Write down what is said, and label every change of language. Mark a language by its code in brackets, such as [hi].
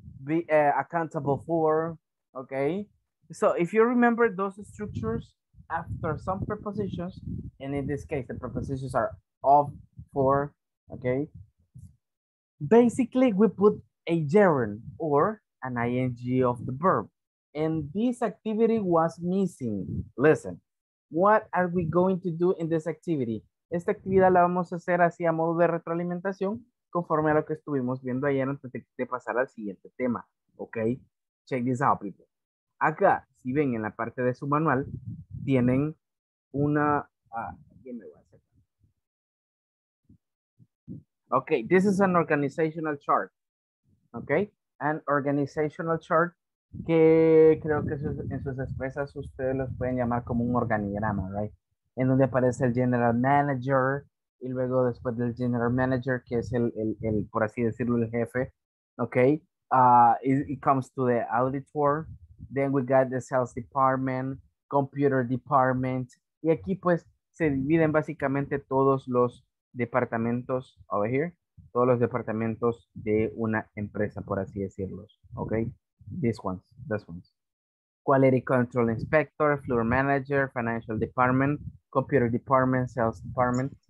[en] Be accountable for, okay? So if you remember those structures after some prepositions, and in this case, the prepositions are of, for, okay? Basically, we put a gerund or an ing of the verb. And this activity was missing. Listen, what are we going to do in this activity? [es] Esta actividad la vamos a hacer así a modo de retroalimentación conforme a lo que estuvimos viendo ayer antes de pasar al siguiente tema. [en] Okay, check this out, people. [es] Acá, si ven en la parte de su manual, tienen una... ¿quién me va a hacer? [en] Okay, this is an organizational chart. Okay, an organizational chart. [es] Que creo que en sus expresas ustedes los pueden llamar como un organigrama, right? En donde aparece el general manager y luego después del general manager, que es el por así decirlo, el jefe, okay? [en] It comes to the auditor. Then we got the sales department, computer department. [es] Y aquí pues se dividen básicamente todos los departamentos, [en] over here, [es] todos los departamentos de una empresa, por así decirlos, okay? [en] This ones. Quality control inspector, floor manager, financial department, computer department, sales department.